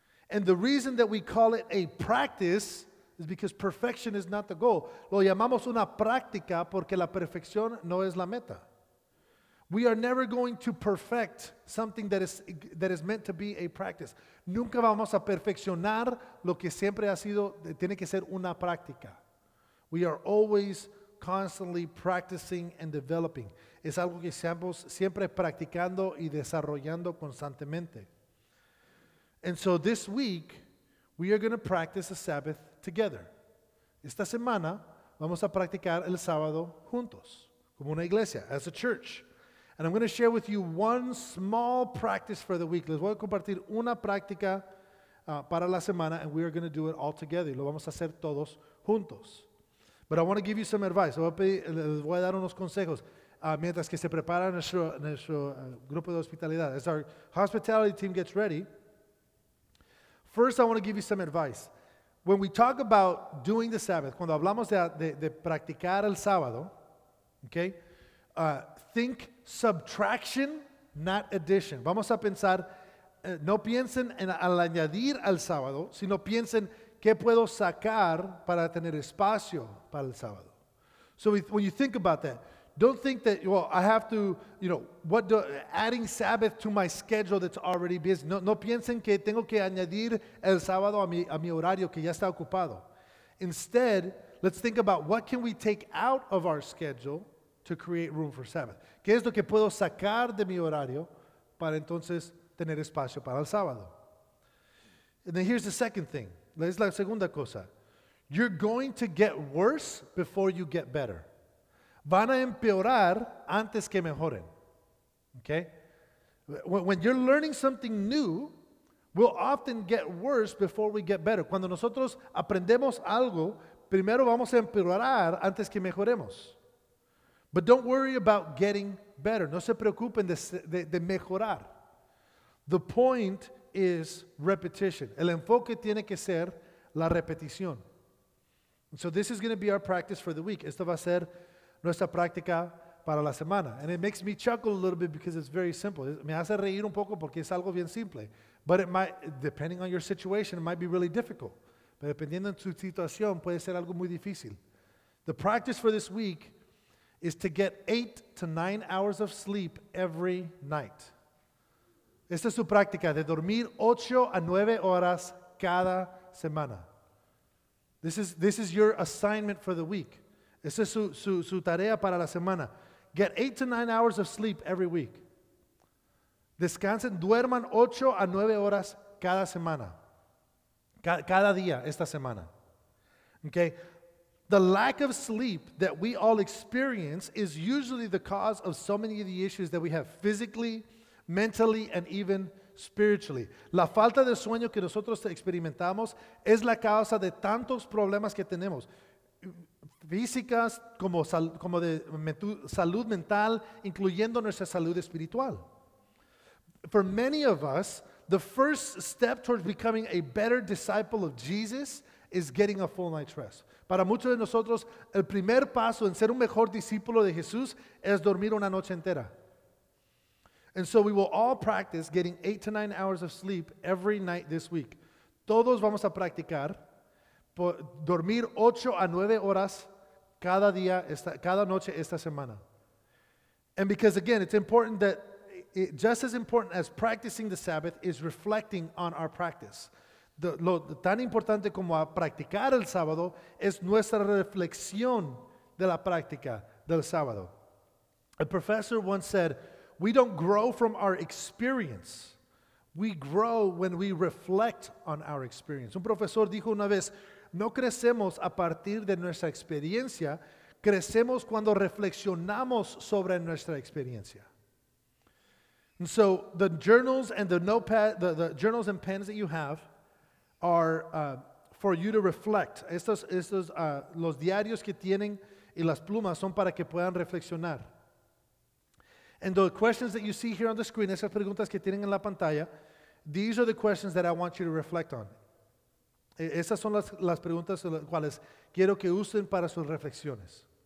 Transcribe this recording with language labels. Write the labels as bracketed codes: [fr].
[en] And the reason that we call it a practice is because perfection is not the goal. [es] Lo llamamos una práctica porque la perfección no es la meta. [en] We are never going to perfect something that is meant to be a practice. [es] Nunca vamos a perfeccionar lo que siempre ha sido, tiene que ser una práctica. [en] We are always constantly practicing and developing. [es] Es algo que estamos siempre practicando y desarrollando constantemente. [en] And so this week, we are going to practice the Sabbath together. [es] Esta semana, vamos a practicar el sábado juntos, como una iglesia, [en] as a church. And I'm going to share with you one small practice for the week. [es] Les voy a compartir una práctica para la semana, [en] and we are going to do it all together. [es] Y lo vamos a hacer todos juntos. [en] But I want to give you some advice. [es] Les voy a dar unos consejos. Mientras que se prepara nuestro grupo de hospitalidad. [en] As our hospitality team gets ready, first I want to give you some advice. When we talk about doing the Sabbath, [es] cuando hablamos de practicar el sábado, [en] okay, think subtraction, not addition. [es] Vamos a pensar, no piensen al añadir al sábado, sino piensen qué puedo sacar para tener espacio para el sábado. [en] So when you think about that, don't think that, well, I have to, you know, adding Sabbath to my schedule that's already busy. [es] No piensen que tengo que añadir el sábado a mi horario que ya está ocupado. [en] Instead, let's think about what can we take out of our schedule to create room for Sabbath. [es] ¿Qué es lo que puedo sacar de mi horario para entonces tener espacio para el sábado? [en] And then here's the second thing. [es] Es la segunda cosa. [en] You're going to get worse before you get better. [es] Van a empeorar antes que mejoren, okay? [en] When you're learning something new, we'll often get worse before we get better. [es] Cuando nosotros aprendemos algo, primero vamos a empeorar antes que mejoremos. [en] But don't worry about getting better. [es] No se preocupen de mejorar. [en] The point is repetition. [es] El enfoque tiene que ser la repetición. [en] And so this is going to be our practice for the week. [es] Esto va a ser nuestra práctica para la semana. [en] And it makes me chuckle a little bit because it's very simple. [es] Me hace reír un poco porque es algo bien simple. [en] But it might, depending on your situation, it might be really difficult. [es] Pero dependiendo en tu situación, puede ser algo muy difícil. [en] The practice for this week is to get 8 to 9 hours of sleep every night. [es] Esta es su práctica de dormir 8 a 9 horas cada semana. [en] This is your assignment for the week. [es] Esta es su tarea para la semana. [en] Get 8 to 9 hours of sleep every week. [es] Descansen, duerman 8 a 9 horas cada semana. Cada día esta semana. Okay. [en] The lack of sleep that we all experience is usually the cause of so many of the issues that we have physically, mentally, and even spiritually. [es] La falta de sueño que nosotros experimentamos es la causa de tantos problemas que tenemos, físicas como de salud mental, incluyendo nuestra salud espiritual. [en] For many of us, the first step towards becoming a better disciple of Jesus is getting a full night's rest. [es] Para muchos de nosotros, el primer paso en ser un mejor discípulo de Jesús es dormir una noche entera. [en] And so we will all practice getting 8 to 9 hours of sleep every night this week. [es] Todos vamos a practicar dormir 8 a 9 horas cada día, cada noche esta semana. [en] And because again, it's important that, just as important as practicing the Sabbath is reflecting on our practice. [es] Lo tan importante como a practicar el sábado es nuestra reflexión de la práctica del sábado. [en] A professor once said, "We don't grow from our experience. We grow when we reflect on our experience." [es] Un profesor dijo una vez, "No crecemos a partir de nuestra experiencia, crecemos cuando reflexionamos sobre nuestra experiencia." [en] And so the journals and the notepad, the journals and pens that you have are for you to reflect. [es] Estos los diarios que tienen y las plumas son para que puedan reflexionar. [en] And the questions that you see here on the screen, [es] esas preguntas que tienen en la pantalla, [en] these are the questions that I want you to reflect on. [es] Esas son las preguntas las cuales quiero que usen para sus reflexiones.